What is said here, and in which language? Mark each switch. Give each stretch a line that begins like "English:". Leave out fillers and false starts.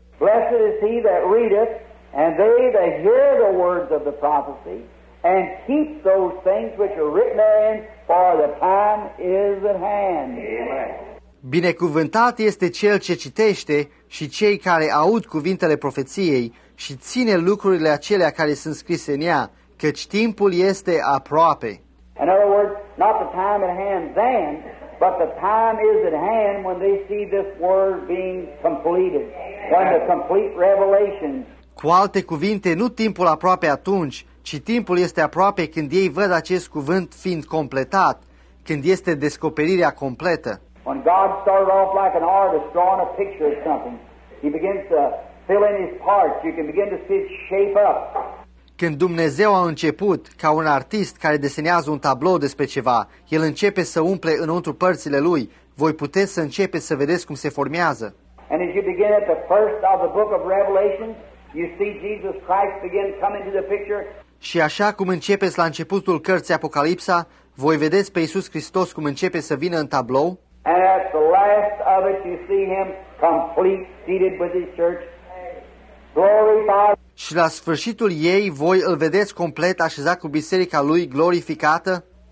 English: Blessed is he that readeth, and they that hear the words of the prophecy, and keep those things which are written therein, for the time is at hand.
Romanian: Binecuvântat este cel ce citește și cei care aud cuvintele profeției și ține lucrurile acelea care sunt scrise în ea, căci timpul este aproape.
English: In other words, not the time at hand then, but the time is at hand when they see this word being completed, when the complete revelation.
Romanian: Cu alte cuvinte, nu timpul aproape atunci, ci timpul este aproape când ei văd acest cuvânt fiind completat, când este descoperirea completă.
English: When God started off like an artist drawing a picture of something, he begins to fill in his parts, you can begin to see it shape up.
Romanian: Când Dumnezeu a început ca un artist care desenează un tablou despre ceva, el începe să umple înăuntru părțile lui. Voi puteți să începeți să vedeți cum se formează.
English: And as you begin at the first of the book of Revelation, you see Jesus Christ begin coming to the picture.
Romanian: Și așa cum începeți la începutul cărții Apocalipsa, voi vedeți pe Iisus Hristos cum începe să vină în tablou.
English: And at the last of it, you see him complete, seated with his church. Glory to God.
Romanian: Și la sfârșitul ei, voi îl vedeți complet așezat cu biserica lui glorificată.